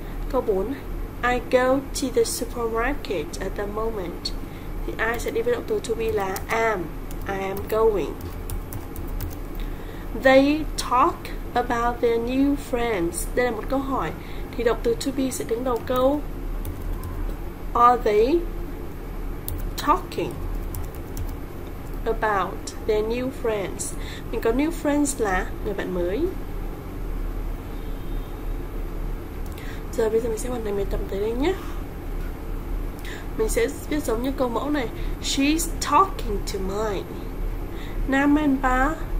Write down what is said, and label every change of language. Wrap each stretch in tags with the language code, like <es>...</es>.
<vi>Câu 4,</vi> <en>I go to the supermarket at the moment.</en> <vi>Thì I sẽ đi với động từ to be là am.</vi> <en>I am going. They talk about their new friends.</en> <vi>Đây là một câu hỏi. Thì động từ to be sẽ đứng đầu câu.</vi> <en>Are they talking about their new friends?</en> <vi>Mình có new friends là người bạn mới. Giờ bây giờ mình sẽ hoàn thành bài tập tới đây nhé. Mình sẽ viết giống như câu mẫu này.</vi> <en>She's talking to mine. Nam and ba.</en>